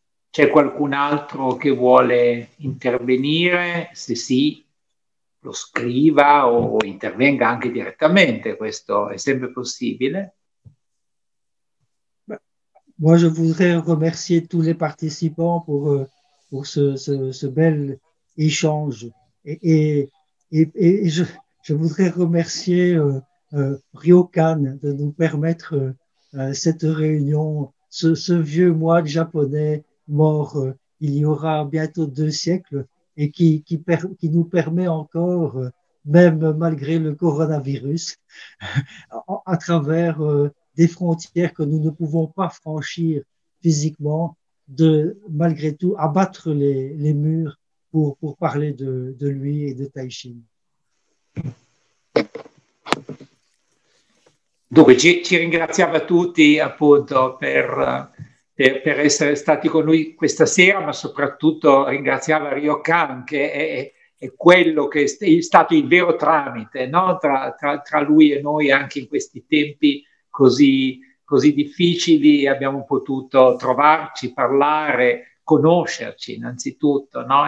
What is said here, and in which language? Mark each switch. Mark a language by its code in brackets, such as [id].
[it] C'è qualcun altro che vuole intervenire? Se sì, lo scriva o intervenga anche direttamente, questo è sempre possibile. [fr] Moi je voudrais remercier tous les participants pour ce bel échange et je voudrais remercier Ryokan de nous permettre cette réunion, ce vieux moine japonais mort il y aura bientôt 2 siècles et qui nous permet encore même malgré le coronavirus, à travers des frontières que nous ne pouvons pas franchir physiquement, de malgré tout abattre les murs pour parler de lui et de Tai Ching. [it] Dunque, ci ringraziamo a tutti appunto per essere stati con noi questa sera, ma soprattutto ringraziamo Ryo Kan, che è quello che è stato il vero tramite, no? tra lui e noi, anche in questi tempi così, così difficili, abbiamo potuto trovarci, parlare, conoscerci innanzitutto, no?